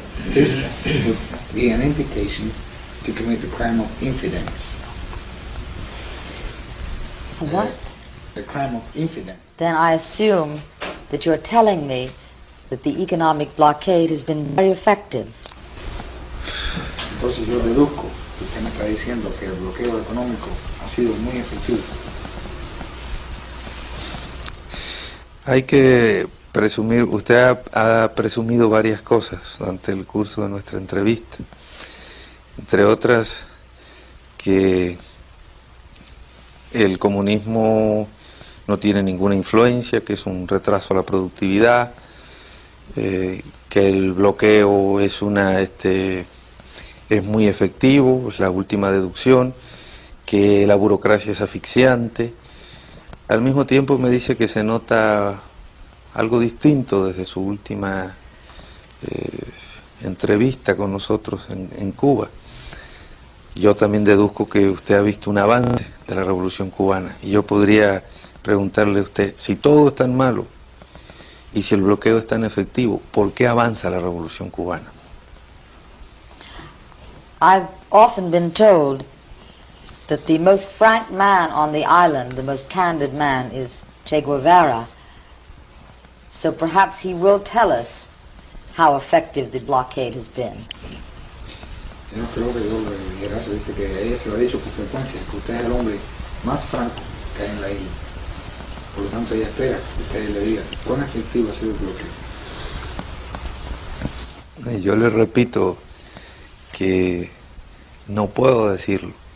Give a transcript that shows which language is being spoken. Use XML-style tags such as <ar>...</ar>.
<en>This be an invitation to commit the crime of infidence. What? The crime of infidence. Then I assume that you're telling me that the economic blockade has been very effective.</en> <es>Entonces yo deduzco que usted me está diciendo que el bloqueo económico ha sido muy efectivo. Hay que presumir, usted ha presumido varias cosas durante el curso de nuestra entrevista. Entre otras, que el comunismo no tiene ninguna influencia, que es un retraso a la productividad. Que el bloqueo es una es muy efectivo, es la última deducción, que la burocracia es asfixiante. Al mismo tiempo me dice que se nota algo distinto desde su última entrevista con nosotros en Cuba. Yo también deduzco que usted ha visto un avance de la revolución cubana y yo podría preguntarle a usted, si todo es tan malo y si el bloqueo es tan efectivo, ¿por qué avanza la revolución cubana?</es> <en>I've often been told that the most frank man on the island, the most candid man, is Che Guevara. So perhaps he will tell us how effective the blockade has been.</en> <es>Yo creo que el Gerazo dice que ella se lo ha dicho con frecuencia, que usted es el hombre más franco que hay en la isla. Por lo tanto, ella espera que usted le diga cuán efectivo ha sido el bloqueo. Yo le repito que No puedo decirlo.</es>